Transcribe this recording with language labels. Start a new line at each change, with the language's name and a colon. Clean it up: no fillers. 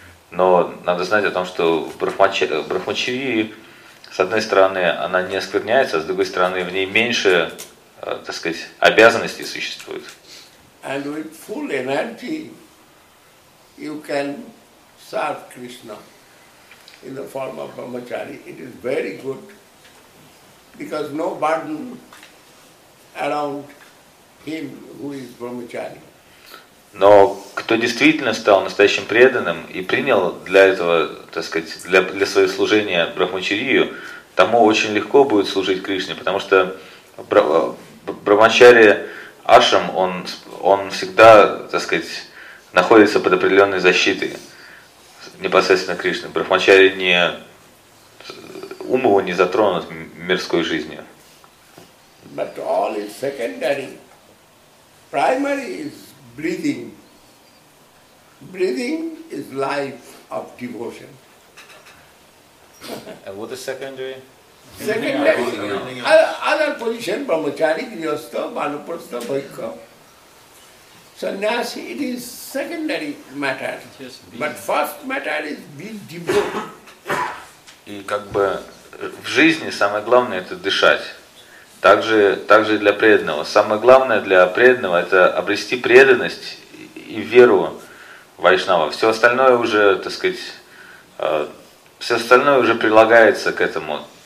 Russian: Но надо знать о том, что брахмачари, с одной стороны, она не оскверняется, а с другой стороны, в ней меньше, так сказать, обязанностей существует.
English: And with full energy. You can serve Krishna in the form of brahmachari. It is very good because no burden around him who is brahmachari.
Russian: Но кто действительно стал настоящим преданным и принял для этого, так сказать, для своего служения брахмачарию, тому очень легко будет служить Кришне, потому что брахмачари ашрам, он всегда, так сказать, находится под определенной защитой непосредственно Кришны. Брахмачари не ум его не затронут мирской жизнью.
English: But all is secondary. Primary is breathing. Breathing is life of devotion. And what is secondary? Secondary. Other position, brahmachari, grihastha, vanaprastha, vaikha. Sannyasi, it is secondary matter, but first matter is be devotee.
Russian: И как бы в жизни самое главное это дышать. Также для преданного. Самое главное для преданного это обрести преданность и веру вайшнава. Все остальное уже, так сказать, все остальное уже прилагается к этому.